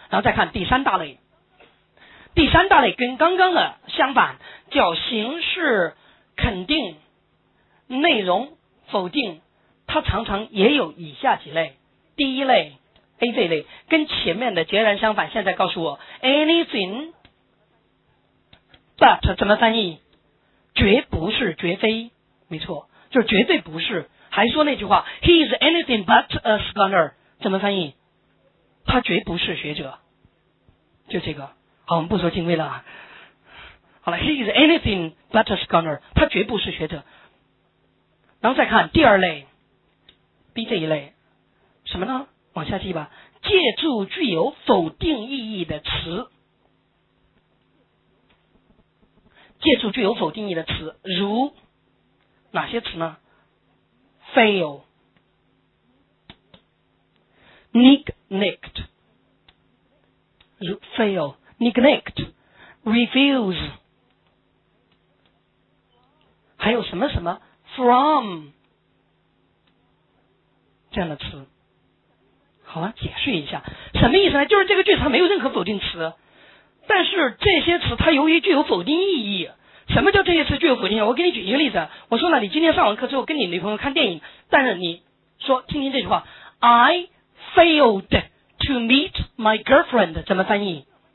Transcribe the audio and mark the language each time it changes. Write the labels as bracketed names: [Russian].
[Chinese] 然后再看第三大类，第三大类跟刚刚的相反，叫形式肯定，内容否定。它常常也有以下几类，第一类 A 这类跟前面的截然相反。现在告诉我 anything but 怎么翻译？绝不是，绝非，没错，就是绝对不是。还说那句话， [English] He is anything but a scholar， [Chinese] 怎么翻译？他绝不是学者，就这个。好，我们不说敬畏了。好了， [English] He is anything but a scholar， [Chinese] 他绝不是学者。然后再看第二类 B 这一类，什么呢？往下记吧，借助具有否定意义的词，借助具有否定意义的词，如哪些词呢？ fail neglect， 如 fail neglect， refuse， 还有什么什么 from 这样的词。好吗？解释一下什么意思呢，就是这个句子它没有任何否定词，但是这些词它由于具有否定意义。什么叫这些词具有否定意义？我给你举一个例子，我说呢，你今天上完课之后跟你女朋友看电影，但是你说听听这句话， [English] I failed to meet my girlfriend， [Chinese] 怎么翻译？